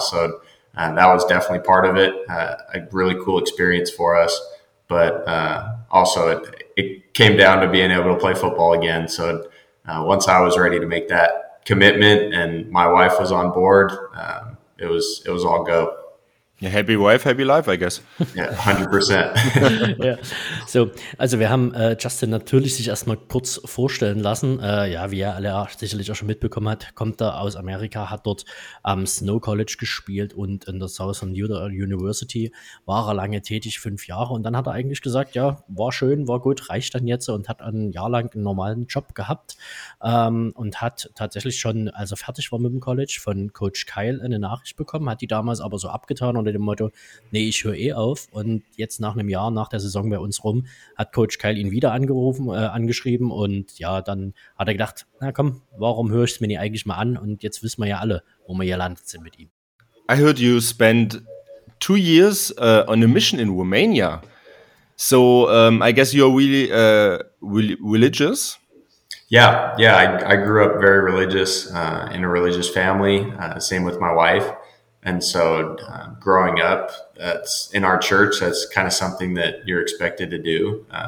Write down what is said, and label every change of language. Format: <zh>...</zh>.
<en>So that was definitely part of it, a really cool experience for us. But also it came down to being able to play football again. So once I was ready to make that commitment and my wife was on board, it was all go. Yeah, happy wife, happy life, I guess. Yeah, 100%.</en> <de>Ja. So, also wir haben Justin natürlich sich erstmal kurz vorstellen lassen. Ja, wie er alle sicherlich auch schon mitbekommen hat, kommt er aus Amerika, hat dort am Snow College gespielt und in der Southern Utah University war er lange tätig, 5 Jahre. Und dann hat er eigentlich gesagt, ja, war schön, war gut, reicht dann jetzt und hat ein Jahr lang einen normalen Job gehabt und hat tatsächlich schon, als er fertig war mit dem College, von Coach Kyle eine Nachricht bekommen, hat die damals aber so abgetan unter dem Motto, nee, ich höre eh auf. Und jetzt nach einem Jahr, nach der Saison bei uns rum, hat Coach Kyle ihn wieder angerufen, angeschrieben. Und ja, dann hat er gedacht, na komm, warum höre ich es mir nicht eigentlich mal an? Und jetzt wissen wir ja alle, wo wir hier landet sind mit ihm.</de> <en>I heard you spent 2 years on a mission in Romania. So I guess you're really religious. Yeah, I grew up very religious, in a religious family. Same with my wife. And so growing up, that's in our church, that's kind of something that you're expected to do.</en>